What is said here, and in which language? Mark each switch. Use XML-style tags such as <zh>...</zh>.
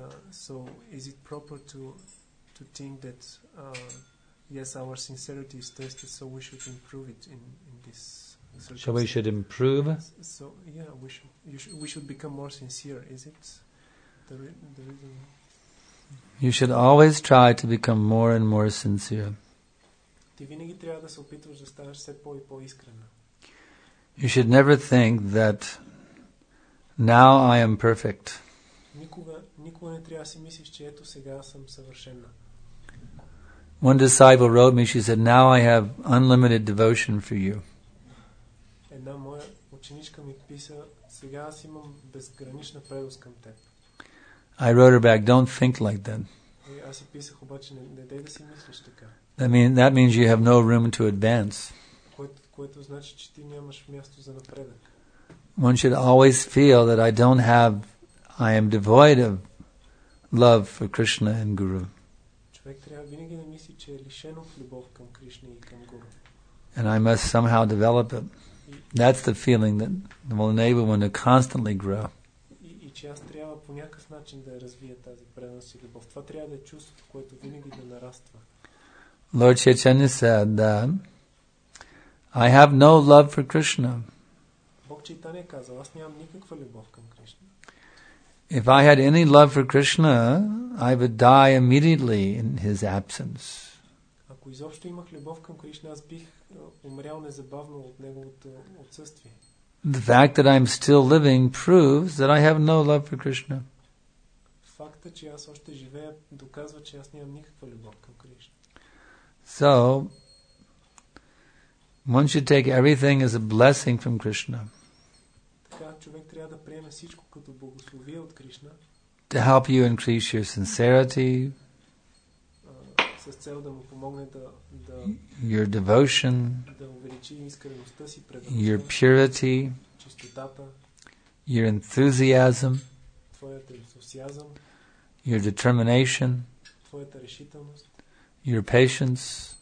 <en>So is it proper to think that yes, our sincerity is tested, so we should improve it in this circumstance? So we should improve? So yeah, we should become more sincere, is it? The reason? You should always try to become more and more sincere.</en> <bg>Ти винаги трябва да се опитваш да ставаш все по и по искрена.</bg> <en>You should never think that now I am perfect.</en> <bg>Никога не трябва да си мислиш, че ето сега съм съвършена.</bg> <en>One disciple wrote me, she said, now I have unlimited devotion for you.</en> <bg>Една моя ученичка ми писа, сега аз имам безгранична преданост към теб.</bg> <en>I wrote her back, don't think like that.</en> <bg>Аз си писах обаче, не дей да си мислиш така.</bg> <en>That means you have no room to advance.</en> <bg>Което значи, че ти нямаш място за напредък.</bg> <en>One should always feel that I am devoid of love for Krishna and Guru.</en> <bg>Човек трябва винаги да мисли, че е лишен от любов към Кришна и към Гуру.</bg> <en>And I must somehow develop it. That's the feeling that will enable one to constantly grow.</en> <bg>И че аз трябва по някакъв начин да развия тази преданост и любов. Това трябва да е чувството, което винаги да нараства.</bg> <en>Lord Chaitanya said that I have no love for Krishna.</en> <bg>Бог Чайтанья казал, аз нямам никаква любов към Кришна.</bg> <en>If I had any love for Krishna, I would die immediately in his absence.</en> <bg>Ако изобщо имах любов към Кришна, аз бих умрял незабавно от неговото отсъствие.</bg> <en>The fact that I'm still living proves that I have no love for Krishna.</en> <bg>Фактът, че аз още живея, доказва, че аз нямам никаква любов към Кришна.</bg> <en>So, one should take everything as a blessing from Krishna.</en> <bg>Така, човек трябва да приеме всичко като благословие от Кришна.</bg> <en>To help you increase your sincerity.</en> <bg>С цел да му помогне да</bg> <en>your devotion.</en> <bg>Да увеличи искреността си пред</bg> <en>Кришна. Your purity.</en> <bg>Чистотата.</bg> <en>Your enthusiasm.</en> <bg>Твоята ентусиазъм.</bg> <en>Your determination.</en> <bg>Твоята решителност.</bg> <en>Your patience</en>